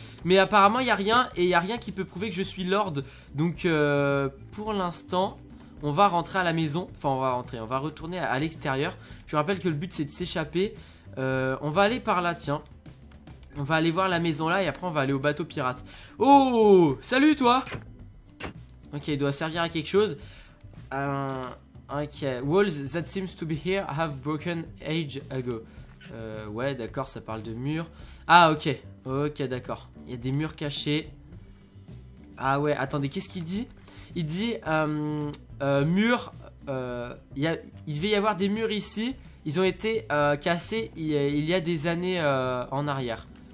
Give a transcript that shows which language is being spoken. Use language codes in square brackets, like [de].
[fr] Mais apparemment il n'y a rien. Et il n'y a rien qui peut prouver que je suis lord. Donc pour l'instant on va rentrer à la maison. Enfin on va rentrer, on va retourner à l'extérieur. Je vous rappelle que le but c'est de s'échapper. On va aller par là tiens. On va aller voir la maison là. Et après on va aller au bateau pirate. Oh salut toi. Ok, il doit servir à quelque chose. [en] Ok, walls that seems to be here have broken age ago. [fr] Ouais, d'accord, ça parle de murs. Ah, ok, ok, d'accord. Il y a des murs cachés. Ah ouais, attendez, qu'est-ce qu'il dit? Il dit, murs, il devait y avoir des murs ici. Ils ont été cassés il y a des années en arrière.